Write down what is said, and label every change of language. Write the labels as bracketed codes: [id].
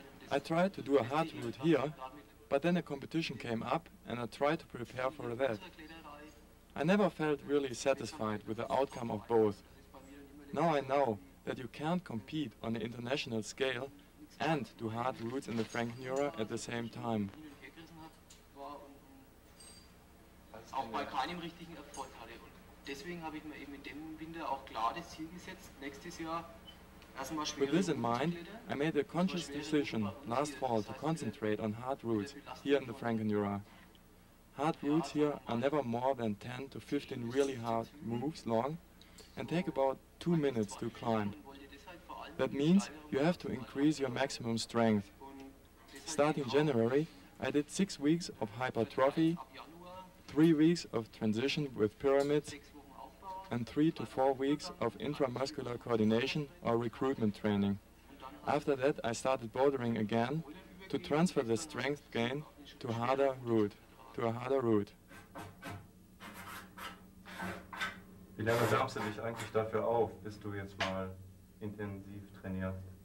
[en] I tried to do a hard route here, but then a competition came up and I tried to prepare for that. I never felt really satisfied with the outcome of both. Now I know that you can't compete on the international scale and do hard routes in the Frankenjura at the same time. [de] Auch bei keinem richtigen Erfolg hatte. Und deswegen habe ich mir eben in dem Winter auch klar das Ziel gesetzt, nächstes Jahr erstmal schwere. [en] With this in mind, I made a conscious decision last fall to concentrate on hard routes here in the Frankenjura. Hard routes here are never more than 10 to 15 really hard moves long and take about 2 minutes to climb. That means you have to increase your maximum strength. Starting January, I did 6 weeks of hypertrophy, 3 weeks of transition with pyramids, and 3 to 4 weeks of intramuscular coordination or recruitment training. After that, I started bouldering again to transfer the strength gain to harder route, to a harder route. [de] Wie lange wärmst du dich eigentlich dafür auf, bis du jetzt mal intensiv trainierst?